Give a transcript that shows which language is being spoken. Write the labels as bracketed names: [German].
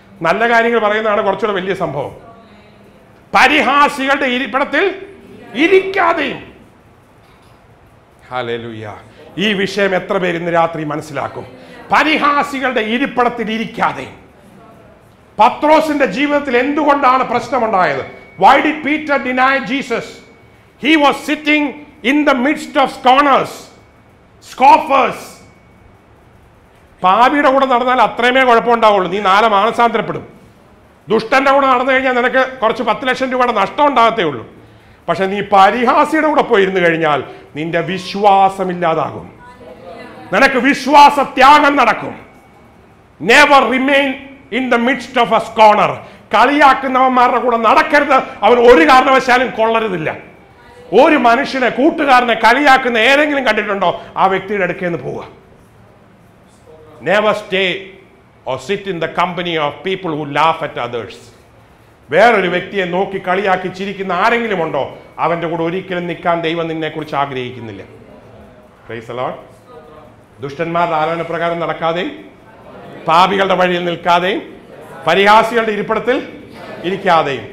[Malayalam] നല്ല കാര്യങ്ങൾ പറയുന്നതാണ് കുറച്ചുകൂടെ വലിയ സംഭവം. പരിഹാസികളുടെ ഇരിപ്പിടത്തിൽ ഇരിക്കാതെയും. ഹല്ലേലൂയ. ഈ വിഷയം എത്ര പേര് ഇന്ന് രാത്രി മനസ്സിലാക്കും? പരിഹാസികളുടെ ഇരിപ്പിടത്തിൽ ഇരിക്കാതെയും. പത്രോസിന്റെ ജീവിതത്തിൽ എന്തുകൊണ്ടാണ് പ്രശ്നമുണ്ടായത്? [English] Why did Peter deny Jesus? He was sitting in the midst of scorners, scoffers. [Malayalam] പാപിയുടെ കൂടെ നടന്നാൽ അത്രയുമേ കുഴപ്പമുണ്ടാവുള്ളൂ, നീ 4 മാനസാന്തരപ്പെടും. ദുഷ്ടന്റെ കൂടെ നടന്നു കഴിഞ്ഞാൽ നിനക്ക് കുറച്ച് 10 ലക്ഷം രൂപയുടെ നഷ്ടം ഉണ്ടാകത്തേ ഉള്ളൂ. പക്ഷെ നീ പരിഹാസിയുടെ കൂടെ പോയിരുന്നു കഴിഞ്ഞാൽ നിന്റെ വിശ്വാസം ഇല്ലാതാകും, നിനക്ക് വിശ്വാസ ത്യാഗം നടക്കും. [English] Never remain in the midst of a scorner. [Malayalam] കളിയാക്കുന്നവന്മാരുടെ കൂടെ നടക്കരുത്, അവൻ ഒരു കാരണവശാലും കൊള്ളരുതില്ല. ഒരു മനുഷ്യനെ, കൂട്ടുകാരനെ കളിയാക്കുന്ന ഏതെങ്കിലും കണ്ടിട്ടുണ്ടോ, ആ വ്യക്തിയുടെ അടുക്കേന്ന് പോവുക. [English] Never stay or sit in the company of people who laugh at others. [Malayalam] വേറൊരു വ്യക്തിയെ നോക്കി കളിയാക്കി ചിരിക്കുന്ന ആരെങ്കിലും ഉണ്ടോ? അവൻ്റെ കൂടെ ഒരിക്കലും നിൽക്കാൻ ദൈവം നിന്നെ കുറിച്ച് ആഗ്രഹിക്കുന്നില്ല. [English] Praise the Lord. [Malayalam] ദുഷ്ടന്മാരുടെ ആലോചന പ്രകാരം നടക്കാതെയും പാപികളുടെ വഴിയിൽ നിൽക്കാതെയും പരിഹാസികളുടെ ഇരിപ്പിടത്തിൽ ഇരിക്കാതെയും.